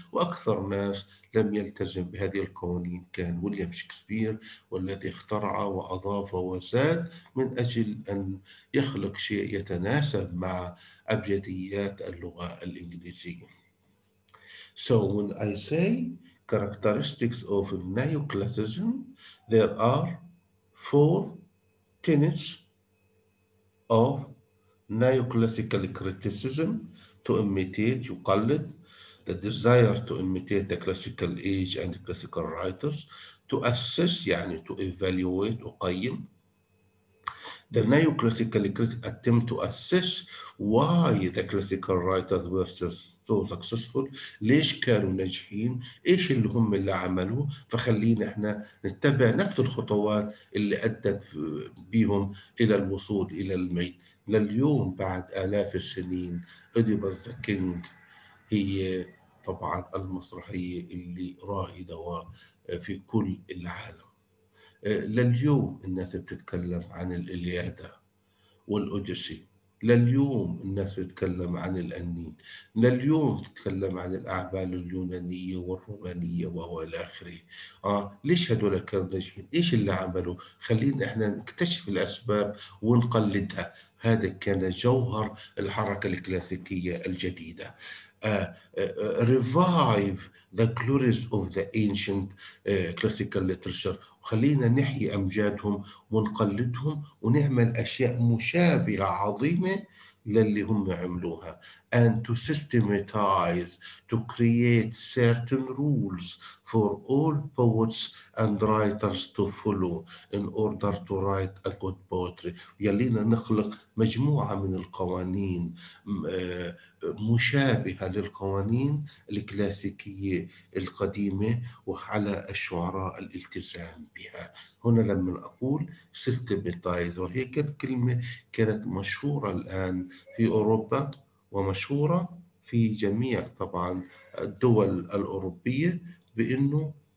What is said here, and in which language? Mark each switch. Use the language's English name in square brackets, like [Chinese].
[Arabic] وأكثر ناس لم يلتزم بهذه القوانين كان ويليام شكسبير والذي اخترع وأضاف وزاد من أجل أن يخلق شيء يتناسب مع أبجديات اللغة الإنجليزية. [English] So when I say characteristics of neoclassicism, there are four tenets of neoclassical criticism: to imitate, [Arabic] يقلد, [English] the desire to imitate the classical age and the classical writers, to assess, [Arabic] يعني [English] to evaluate, [Arabic] أقيم. [English] The neoclassical critics attempt to assess why the classical writers were so successful. [Arabic] ليش كانوا ناجحين؟ إيش اللي هم اللي عملوه؟ فخلينا إحنا نتبع نفس الخطوات اللي أدت بهم إلى الوصول إلى الميت. لليوم بعد آلاف السنين أديبال ذا كينج هي طبعا المسرحية اللي رائدة في كل العالم. لليوم الناس بتتكلم عن الإلياده والأوديسي, لليوم الناس بتتكلم عن الأنين, لليوم بتتكلم عن الأعمال اليونانية والرومانية وإلى آخره. ليش هدول كانوا ناجحين؟ إيش اللي عملوا؟ خلينا إحنا نكتشف الأسباب ونقلدها. هذا كان جوهر الحركة الكلاسيكية الجديدة. [English] Revive the glories of the ancient classical literature. [Arabic] خلينا نحيي أمجادهم ونقلدهم ونعمل أشياء مشابهة عظيمة للي هم عملوها. [English] And to systematize, to create certain rules for all poets and writers to follow in order to write a good poetry. [Arabic] يلينا نخلق مجموعة من القوانين مشابهة للقوانين الكلاسيكية القديمة وعلى الشعراء الالتزام بها. هنا لما أقول systematize وهي كلمة كانت مشهورة الآن في أوروبا ومشهورة في جميع طبعا الدول الأوروبية بأنه